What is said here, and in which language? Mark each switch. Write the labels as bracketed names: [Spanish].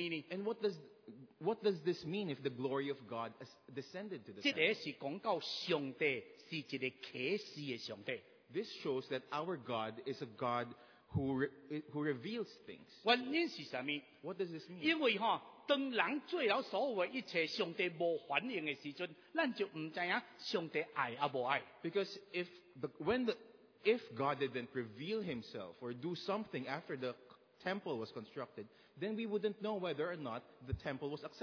[English] And what does this mean if the glory of God descended to the temple? This shows that our God is a God who reveals things. [Min Nan Chinese] 原因是什么? [English] What does this mean? [Min Nan Chinese] 因为, 当人做了所有的一切，上帝无反应的时阵，咱就唔知影上帝爱啊无爱。 [English] Because if God didn't reveal Himself or do something after the temple was constructed, then we wouldn't know whether or not the temple was